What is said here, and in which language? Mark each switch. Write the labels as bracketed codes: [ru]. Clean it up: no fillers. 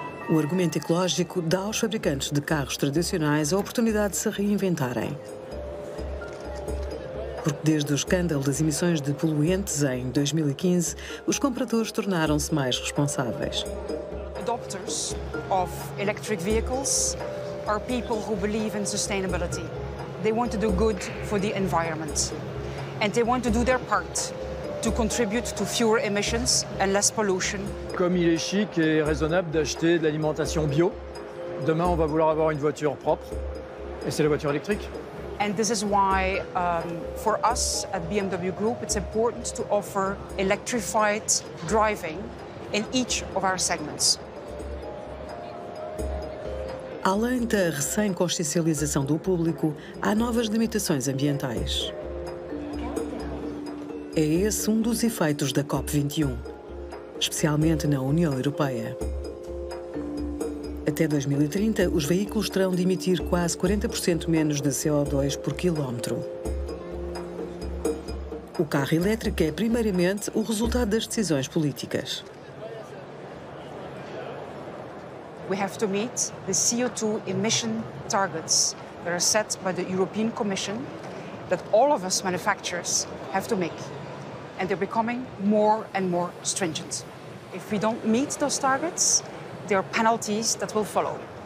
[pt] O argumento ecológico dá aos fabricantes de carros tradicionais a oportunidade de se reinventarem. Porque desde o escândalo das emissões de poluentes em 2015, os compradores tornaram-se mais responsáveis. [en] Adopters of electric vehicles are people who believe in sustainability. They want to do good for the environment. And they want to do their part to contribute to fewer emissions and less pollution. [fr] Comme il est chic et raisonnable d'acheter de l'alimentation bio, demain on va vouloir avoir une voiture propre, et c'est la voiture électrique. [en] And this is why, for us at BMW Group, it's important to offer electrified driving in each of our segments. [pt] Além da recém-consciencialização do público, há novas limitações ambientais. É esse um dos efeitos da COP21, especialmente na União Europeia. Até 2030, os veículos terão de emitir quase 40% menos de CO2 por quilómetro. O carro elétrico é, primeiramente, o resultado das decisões políticas. [en] We have to meet the CO2 emission targets that are set by the European Commission that all of us manufacturers have to make. And they're becoming more and more stringent. If we don't meet those targets, there are penalties that will follow.